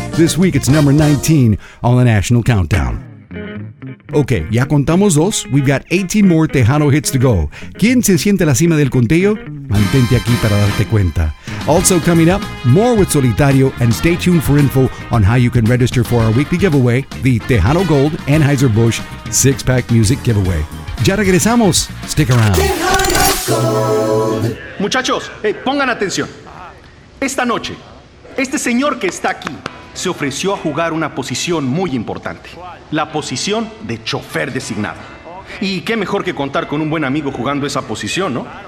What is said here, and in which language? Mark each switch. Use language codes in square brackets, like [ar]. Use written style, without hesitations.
[en] This week it's number 19 on the National Countdown. Okay, [es] ya contamos dos. [en] We've got 18 more Tejano hits to go. [es] ¿Quién se siente a la cima del conteo? Mantente aquí para darte cuenta. [en] Also coming up, more with Solitario, and stay tuned for info on how you can register for our weekly giveaway, the Tejano Gold Anheuser-Busch 6-Pack Music Giveaway. [es] Ya regresamos. [en] Stick around. [es] Muchachos, hey, pongan atención. Esta noche, este señor que está aquí se ofreció a jugar una posición muy importante. La posición de chofer designado. Y qué mejor que contar con un buen amigo jugando esa posición, ¿no?